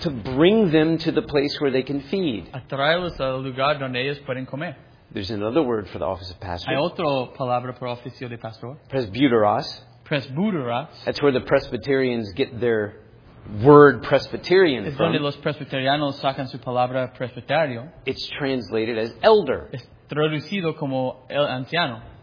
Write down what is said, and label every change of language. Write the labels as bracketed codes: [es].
[en] To bring them to the place where they can feed. [es] A traerlos al lugar donde ellos pueden comer. [en] There's another word for the office of pastor. [es] Hay otra palabra para oficio de pastor. [el] Presbyteros. Presbyteros. [en] That's where the Presbyterians get their word Presbyterian [es] from. Donde los presbiterianos sacan su palabra presbiterio. [en] It's translated as elder. [es] Es traducido como el anciano.